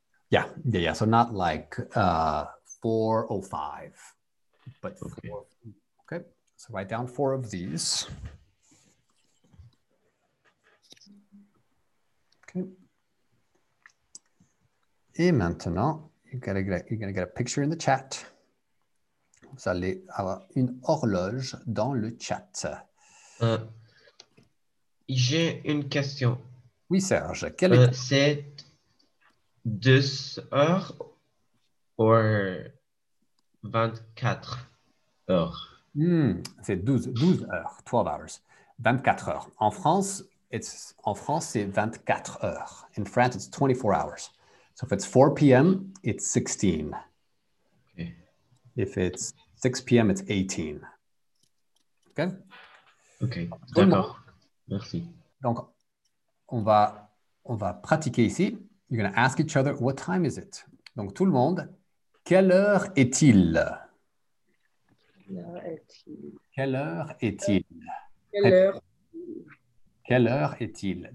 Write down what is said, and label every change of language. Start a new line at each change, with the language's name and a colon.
English: Yeah. So not like 4:05, but okay. So write down four of these. Okay.
French: Et maintenant,
English: you're gonna get a picture in the chat.
French: Vous allez avoir une horloge dans le chat. J'ai une question. Oui, Serge. C'est 2 heures ou 24 heures? C'est 12 heures, 12 hours, 24 heures. En France, c'est 24 heures.
English: In France, it's 24 hours. So if it's 4 p.m., it's 16. Okay. If it's 6 p.m., it's 18. Okay?
French: Okay, d'accord. Bon. Merci. Donc, on va pratiquer ici.
English: You're going to ask each other, what time is it?
French: Donc, tout le monde, quelle heure est-il?